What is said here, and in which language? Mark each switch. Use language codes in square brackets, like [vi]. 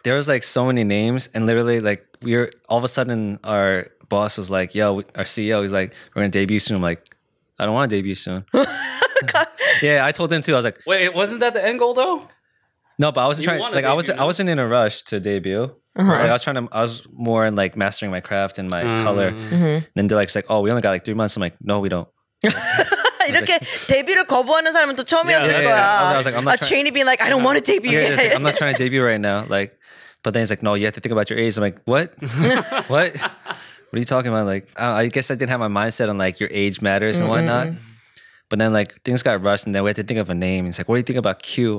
[en] There was like so many names, and literally, like, we're all of a sudden, our boss was like, "Yo, our CEO," he's like, "we're gonna debut soon." I'm like, "I don't want to debut soon." Yeah, I told him too. I was like, "Wait, wasn't that the end goal though?" No, but I wasn't trying. Like, I wasn't in a rush to debut. Uh-huh. Like, I was more in like mastering my craft and my color. Mm-hmm. Then they're like, "Oh, we only got like 3 months." I'm like, "No, we don't." [ko] 이렇게 데뷔를 거부하는 사람은 또 처음이었을 거야. [en] I was like, I'm not trying to debut. Yeah, like, I'm not trying to debut right now. Like, but then he's like, "No, you have to think about your age." I'm like, "What? What? What are you talking about?" Like, I guess I didn't have my mindset on like your age matters and mm-hmm. whatnot. But then like things got rushed, and then we had to think of a name. And he's like, "What do you think about Q?"